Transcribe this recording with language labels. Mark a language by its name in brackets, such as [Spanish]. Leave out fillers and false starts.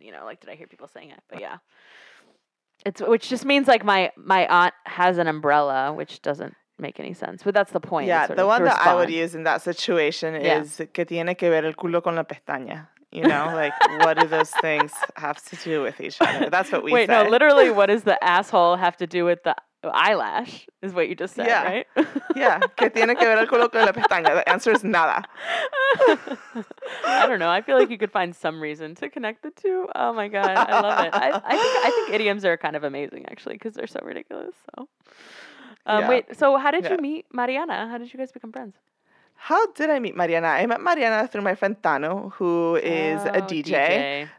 [English] You know, like did I hear people saying it? But yeah. It's which just means like my aunt has an umbrella, which doesn't make any sense. But that's the point. Yeah, the one that I would use in that situation is [Spanish] que tiene que ver el culo con la pestaña. [English] You know, like what do those things have to do with each other? That's what we say. Wait, no, literally, what does the asshole have to do with the eyelash? Is what you just said, yeah. Right? Yeah, [Spanish] que tiene que ver el culo con la pestaña. [English] The answer is nada. I don't know. I feel like you could find some reason to connect the two. Oh my god, I love it. I think idioms are kind of amazing, actually, because they're so ridiculous. So, wait. So, how did you meet Mariana? How did you guys become friends? How did I meet Mariana? I met Mariana through my friend Tano, who is a DJ.